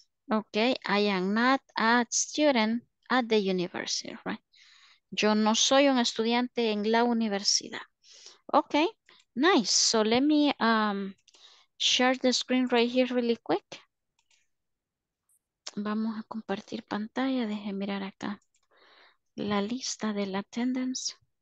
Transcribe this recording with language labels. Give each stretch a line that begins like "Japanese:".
English: Okay, I am not a student at the university, right?
Spanish: Yo no soy un estudiante en la universidad.
English: Okay, nice. So let me share the screen right here really quick.
Spanish: Vamos a compartir pantalla. Deje mirar acá la lista del attendance.